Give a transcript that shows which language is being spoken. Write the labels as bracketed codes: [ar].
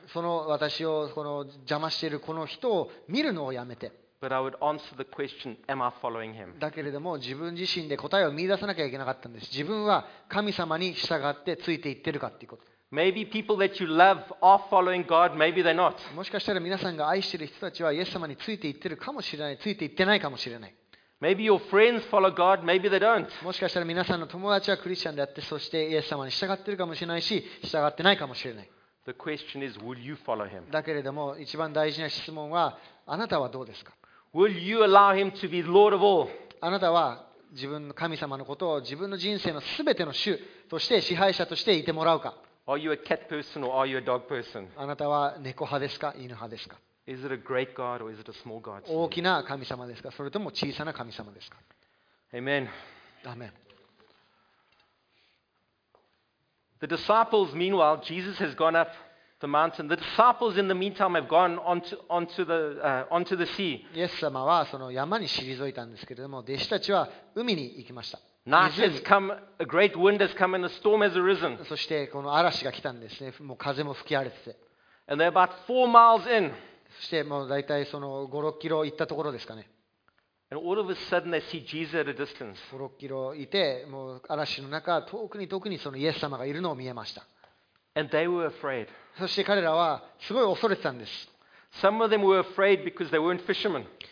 [ja] その私をこの邪魔しているこの人を見るのをやめて。 [en] But I would answer the question, am I following him? [ja] だけれども自分自身で答えを見出さなきゃいけなかったんです。自分は神様に従ってついていってるかっていうこと。 [en] Maybe people that you love are following God. Maybe they're not. [ja] もしかしたら皆さんが愛している人たちはイエス様についていってるかもしれない、ついていってないかもしれない。 [en] Maybe your friends follow God. Maybe they don't. [ja] もしかしたら皆さんの友達はクリスチャンであって、そしてイエス様に従ってるかもしれないし、従ってないかもしれない。 [en] The question is, will you follow him? [ja] だけれども一番大事な質問は、あなたはどうですか？ [en] Will you allow him to be Lord of all? [ja] あなたは自分の神様のことを自分の人生のすべての主として支配者としていてもらうか？ [en] Are you a cat person or are you a dog person? [ja] あなたは猫派ですか犬派ですか？ [en] Is it a great God or is it a small God? [ja] 大きな神様ですかそれとも小さな神様ですか？ [en] Amen. Amen. The disciples, meanwhile, Jesus has gone up the mountain. The disciples, in the meantime, have gone onto the sea. [ja] イエス様はその山に退いたんですけれども、弟子たちは海に行きました。そしてこの嵐が来たんですね。もう風も吹き荒れてて。 [en] And they're about 4 miles in. [ja] そしてもうだいたいその5、6キロ行ったところですかね。 [en] And all of a sudden they see Jesus at a distance. [ja] 5、6キロいて、もう嵐の中遠くに遠くにそのイエス様がいるのを見えました。 [en] And they were afraid. [ja] そして彼らはすごい恐れてたんです。 [en] Some of them were afraid because they weren't fishermen.